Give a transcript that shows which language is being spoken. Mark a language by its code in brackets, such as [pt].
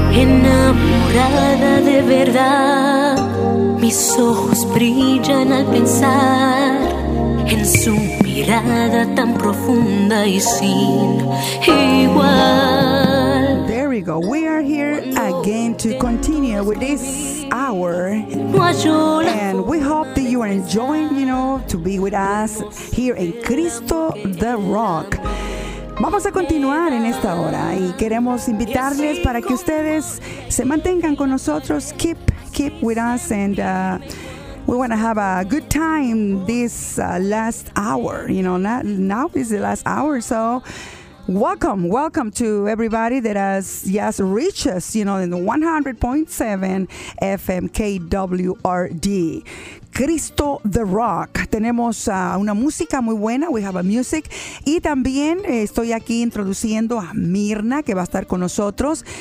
[es] Enamorada de verdad, mis ojos brillan al pensar en su mirada tan profunda y sin igual. [en] There we go. We are here again to continue with this hour. And we hope that you are enjoying, you know, to be with us here in Cristo the Rock. [es] Vamos a continuar en esta hora y queremos invitarles para que ustedes se mantengan con nosotros. [en] Keep with us, and we want to have a good time this last hour. You know, now is the last hour, so welcome to everybody that has just reached us, you know, in 100.7 FM KWRD. [es] Cristo the Rock. Tenemos una música muy buena. [en] We have a music. [es] Y también estoy aquí introduciendo a Mirna, que va a estar con nosotros.